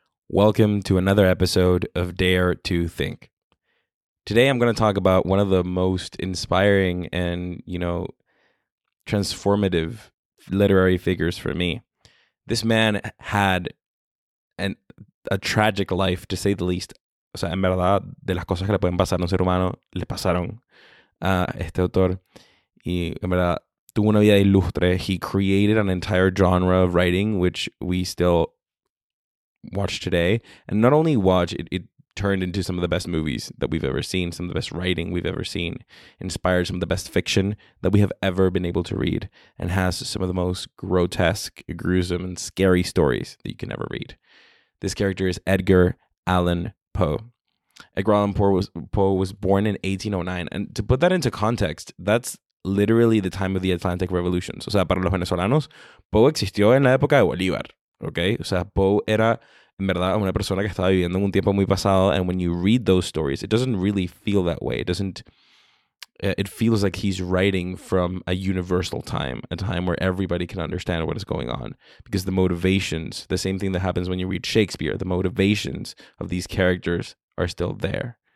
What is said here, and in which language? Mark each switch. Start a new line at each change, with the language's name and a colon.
English: Welcome to another episode of Dare to Think. Today, I'm going to talk about one of the most inspiring and, you know, transformative literary figures for me. This man had a tragic life, to say the least.
Spanish: O sea, en verdad, de las cosas que le pueden pasar a un ser humano, le pasaron a este autor. Y en verdad, tuvo una vida ilustre.
English: He created an entire genre of writing, which we still watch today. And not only watch, it turned into some of the best movies that we've ever seen, some of the best writing we've ever seen, inspired some of the best fiction that we have ever been able to read, and has some of the most grotesque, gruesome, and scary stories that you can ever read. This character is Edgar Allan Poe. Edgar Allan Poe was born in 1809, and to put that into context, that's literally the time of the Atlantic Revolution.
Spanish: O sea, para los venezolanos, Poe existió en la época de Bolívar, okay? O sea, Poe era... en verdad, una persona que estaba viviendo en un tiempo muy pasado.
English: And when you read those stories, it doesn't really feel that way. It feels like he's writing from a universal time, a time where everybody can understand what is going on. Because the motivations, the same thing that happens when you read Shakespeare, the motivations of these characters are still there.